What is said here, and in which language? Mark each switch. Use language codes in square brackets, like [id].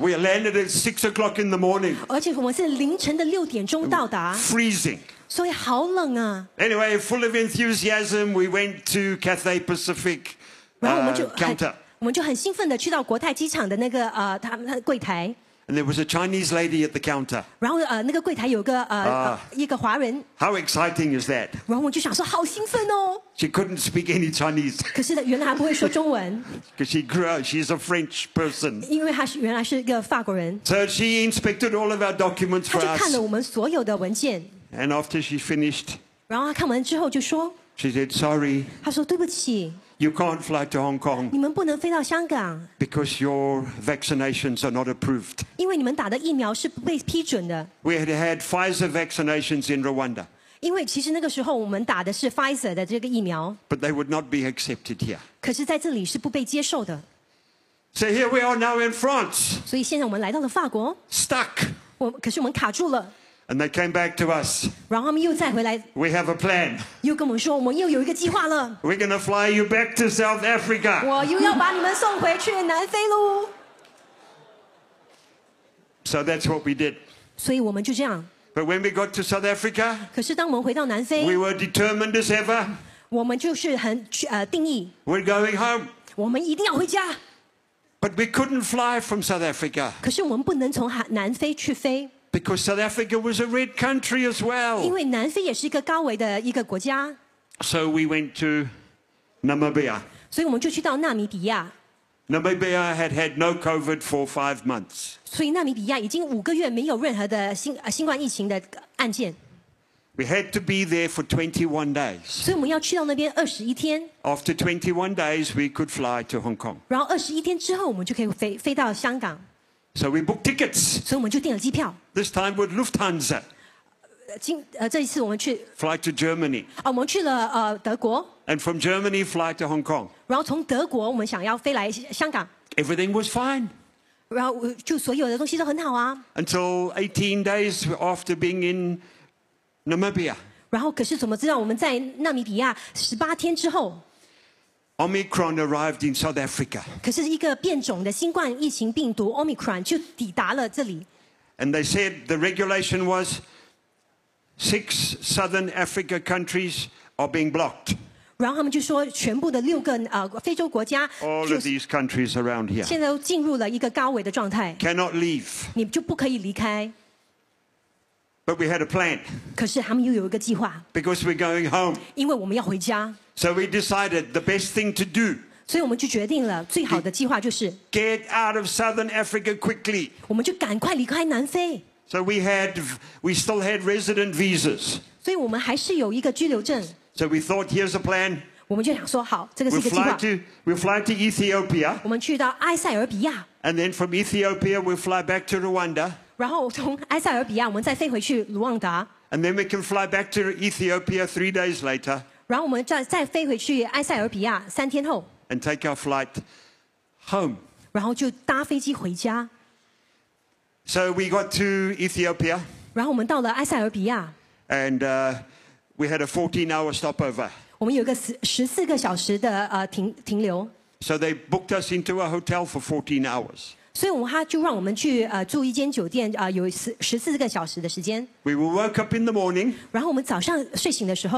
[en] We landed at 6 o'clock in the morning. [zh] 而且我们是凌晨的6点钟到达。 [en] Freezing. [zh] 所以好冷啊。 [en] Anyway, full of enthusiasm, we went to Cathay Pacific. [zh] 然后我们就很兴奋的去到国泰机场的那个他们柜台。 [en] And there was a Chinese lady at the counter. [zh] 然后那个柜台有个一个华人。 [en] How exciting is that? [zh] 然后我就想说好兴奋哦。 [en] She couldn't speak any Chinese. [zh] 可是她原来还不会说中文。 [en] Because she grew up, she's a French person. [zh] 因为她原来是一个法国人。 [en] So she inspected all of our documents for us. [zh] 她就看了我们所有的文件。 [en] And after she finished. [zh] 然后她看完之后就说。 [en] She said sorry. [zh] 她说对不起。 [en] You can't fly to Hong Kong. [zh] 你们不能飞到香港。 [en] Because your vaccinations are not approved. [zh] 因为你们打的疫苗是不被批准的。 [en] We had had Pfizer vaccinations in Rwanda. [zh] 因为其实那个时候我们打的是 Pfizer 的这个疫苗。 [en] But they would not be accepted here. [zh] 可是在这里是不被接受的。 [en] So here we are now in France. [zh] 所以现在我们来到了法国。 [en] Stuck. [zh] 可是我们卡住了。 [en] And they came back to us. [zh] 然后他们又再回来。 [en] We have a plan. [zh] 又跟我们说，我们又有一个计划了。 [en] We're going to fly you back to South Africa. [zh] 我又要把你们送回去南非喽。 [en] So that's what we did. [zh] 所以我们就这样。 [en] But when we got to South Africa, [zh] 可是当我们回到南 [en] 非 ，we were determined as ever. [zh] 我们就是很定义。 [en] We're going home. [zh] 我们一定要回家。 [en] But we couldn't fly from South Africa. [zh] 可是我们不能从南非去飞。 [en] Because South Africa was a red country as well. [zh] 因为南非也是一个高危的一个国家。 [en] So we went to Namibia. [zh] 所以我们就去到纳米比亚。 [en] Namibia had had no COVID for 5 months. [zh] 所以纳米比亚已经五个月没有任何的新冠疫情的案件。 [en] We had to be there for 21 days. [zh] 所以我们要去到那边21天。 [en] After 21 days, we could fly to Hong Kong. [zh] 然后21天之后，我们就可以飞到香港。 [en] So we booked tickets. [zh] 所以我们就订了机票。 [en] This time with Lufthansa. [zh] 这一次我们去。 [en] Fly to Germany. [zh] 我们去了德国。 [en] And from Germany, fly to Hong Kong. [zh] 然后从德国我们想要飞来香港。 [en] Everything was fine. [zh] 然后就所有的东西都很好啊。 [en] Until 18 days after being in Namibia. [zh] 然后可是怎么知道我们在纳米比亚18天之后。 [en] Omicron arrived in South Africa. [zh] 可是一个变种的新冠疫情病毒 Omicron 就抵达了这里。 [en] And they said the regulation was 6 Southern Africa countries are being blocked. [zh] 然后他们就说全部的六个非洲国家。 [en] All of these countries around here. [zh] 现在都进入了一个高危的状态。 [en] Cannot leave. [zh] 你就不可以离开。 [en] But we had a plan. [zh] 可是他们又有一个计划。 [en] Because we're going home. [zh] 因为我们要回家。 [en] So we decided the best thing to do. [zh] 所以我们就决定了最好的计划就是 [en] get out of Southern Africa quickly. [zh] 我们就赶快离开南非。 [en] So we still had resident visas. [zh] 所以我们还是有一个居留证。 [en] So we thought here's a plan. [zh] 我们就想说好，这个是一个计划。 [en] We'll fly to Ethiopia. [zh] 我们去到埃塞俄比亚。 [en] And then from Ethiopia we'll fly back to Rwanda. [zh] 然后从埃塞俄比亚我们再飞回去卢旺达。 [en] And then we can fly back to Ethiopia 3 days later. [zh] 然后我们再飞回去埃塞俄比亚三天后 [en] ，and take our flight home. [zh] 然后就搭飞机回家。 [en] So we got to Ethiopia. [zh] 然后我们到了埃塞俄比亚。 [en] And we had a 14-hour stopover. [zh] 我们有个14个小时的停留。 [en] So they booked us into a hotel for 14 hours. [zh] 所以他就让我们去住一间酒店有14个小时的时间。 [en] We were woke up in the morning. [zh] 然后我们早上睡醒的时候。